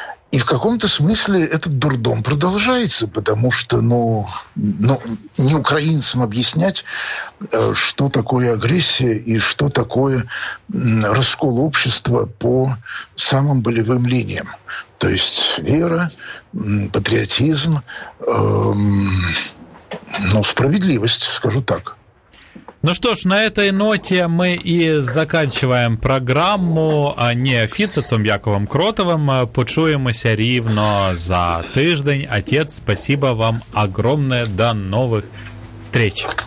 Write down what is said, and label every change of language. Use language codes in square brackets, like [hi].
[ru] И в каком-то смысле этот дурдом продолжается, потому что ну, не украинцам объяснять, что такое агрессия и что такое раскол общества по самым болевым линиям. То есть вера, патриотизм, ну, справедливость, скажу так. Ну что ж, на этой ноте мы и заканчиваем программу неофіцисом Яковом Кротовым. [uk] Почуємося рівно за тиждень. [ru] Отец, спасибо вам огромное. До новых встреч.